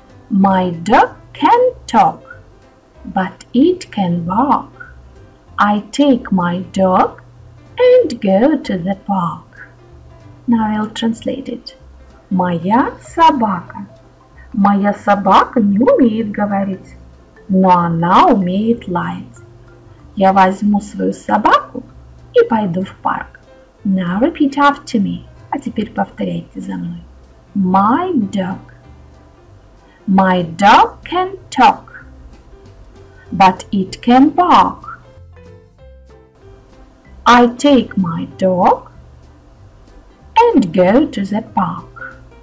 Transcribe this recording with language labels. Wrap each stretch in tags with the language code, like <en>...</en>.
<en>My dog can talk, but it can walk. I take my dog and go to the park. Now I'll translate it.</en> <ru>Моя собака. Моя собака не умеет говорить. Но она умеет лаять. Я возьму свою собаку и пойду в парк.</ru> <en>Now repeat after me.</en> <ru>А теперь повторяйте за мной.</ru> <en>My dog. My dog can talk, but it can bark. I take my dog and go to the park.</en>